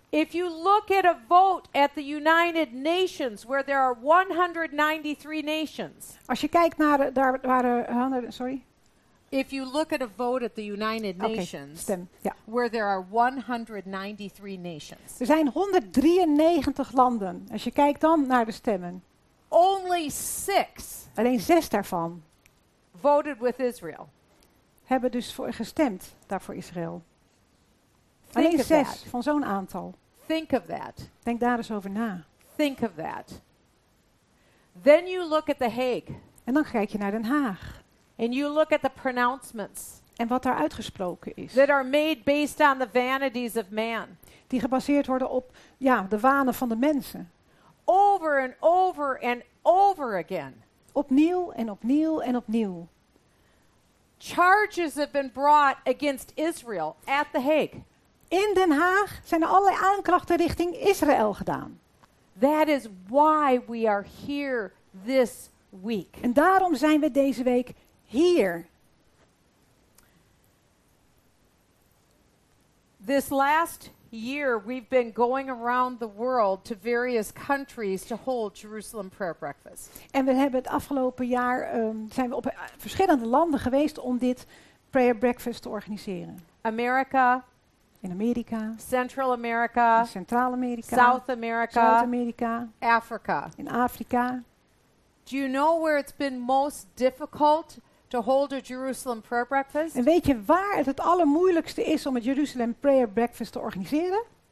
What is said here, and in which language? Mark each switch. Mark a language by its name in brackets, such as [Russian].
[English] If you look at a vote at the United Nations where there are 193 nations. [Dutch] Als je kijkt naar daar waren [English] If you look at a vote at the United Nations. [Dutch] Okay, stem. Ja. [English] Where there are 193 nations. [Dutch] Er zijn 193 landen. Als je kijkt dan naar de stemmen. [English] Only 6. [Dutch] Alleen 6 daarvan [English] voted with Israel. [Dutch] Hebben dus voor gestemd daarvoor Israël. Alleen 6 van zo'n aantal. [English] Think of that. [Dutch] Denk daar eens over na. [English] Think of that. Then you look at the Hague. [Dutch] En dan kijk je naar Den Haag. [English] And you look at the pronouncements. [Dutch] En wat daar uitgesproken is. [English] That are made based on the vanities of man. [Dutch] Die gebaseerd worden op de wanen van de mensen. [English] Over and over and over again. [Dutch] Opnieuw en opnieuw en opnieuw. [English] Charges have been brought against Israel at the Hague. [Dutch] In Den Haag zijn er allerlei aanklachten richting Israël gedaan. [English] That is why we are here this week. [Dutch] En daarom zijn we deze week hier. [English] This last year we've been going around the world to various countries to hold Jerusalem prayer breakfast. [Dutch] En we hebben het afgelopen jaar zijn we op verschillende landen geweest om dit prayer breakfast te organiseren. [English] America, [Dutch] in Amerika, [English] Central America, [Dutch] Centraal Amerika, [English] South America, South America, Africa, [Dutch] in Afrika, [English] Do you know where it's been most difficult to hold a Jerusalem prayer breakfast? [Dutch] En weet je waar het allermoeilijkste is om het Jerusalem prayer breakfast te organiseren?